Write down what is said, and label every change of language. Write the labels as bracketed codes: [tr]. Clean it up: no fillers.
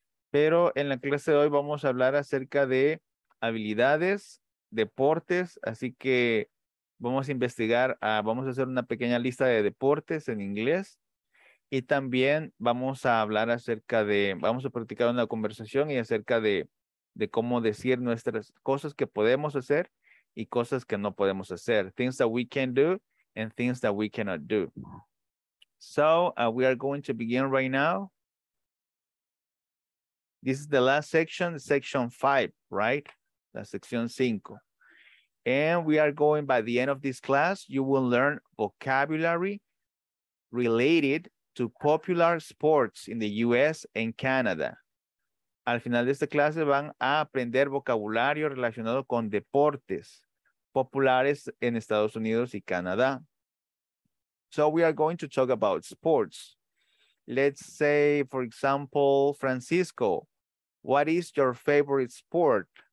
[es] Pero en la clase de hoy vamos a hablar acerca de habilidades, deportes, así que vamos a investigar, vamos a hacer una pequeña lista de deportes en inglés. Y también vamos a hablar acerca de, vamos a practicar una conversación y acerca de cómo decir nuestras cosas que podemos hacer y cosas que no podemos hacer. [en] Things that we can do and things that we cannot do. So we are going to begin right now. This is the last section, section 5, right? [es] La sección 5. [en] And we are going by the end of this class, you will learn vocabulary related to popular sports in the US and Canada. [es] Al final de esta clase van a aprender vocabulario relacionado con deportes populares en Estados Unidos y Canadá. [en] So we are going to talk about sports. Let's say, for example, Francisco, what is your favorite sport?